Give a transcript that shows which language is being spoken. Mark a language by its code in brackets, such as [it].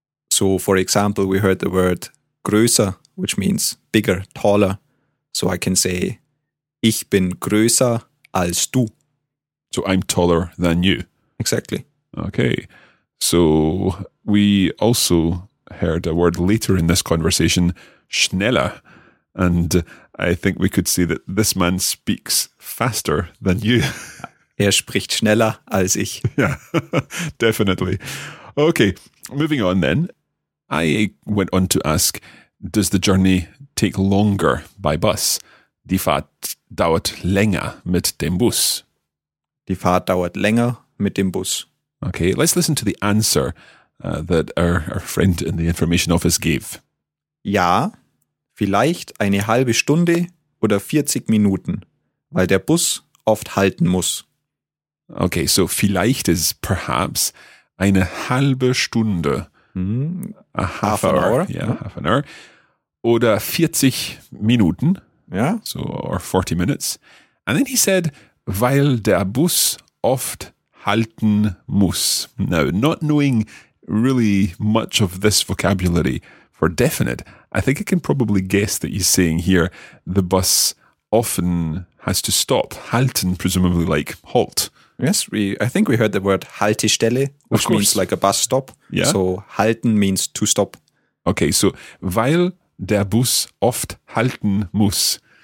[en] So, for example, we heard the word größer, which means bigger, taller. So I can say, [de] ich bin größer als du. [en] So I'm taller than you. Exactly. Okay. So we also heard a word later in this conversation, schneller. And I think we could say that this man speaks faster than you. [de] spricht schneller als ich. [en] Yeah, definitely. Okay, moving on then. I went on to ask, does the journey take longer by bus? [de] Die Fahrt dauert länger mit dem Bus. Die Fahrt dauert länger mit dem Bus. [en] Okay, let's listen to the answer that our friend in the information office gave. [de] Ja, vielleicht eine halbe Stunde oder 40 Minuten, weil der Bus oft halten muss. [en] Okay, so vielleicht is perhaps [de] eine halbe Stunde. [en] Mm-hmm. A half an hour. Yeah, half an hour. [de] Oder 40 Minuten. [en] Yeah. So, or 40 minutes. And then he said, [de] weil der Bus oft halten muss. [en] Now, not knowing really much of this vocabulary for definite, I think I can probably guess that he's saying here, the bus often has to stop. Halten, presumably like halt. Yes, I think we heard the word Haltestelle, which means like a bus stop. Yeah. So halten means to stop. [de] Okay, so weil der Bus oft halten muss.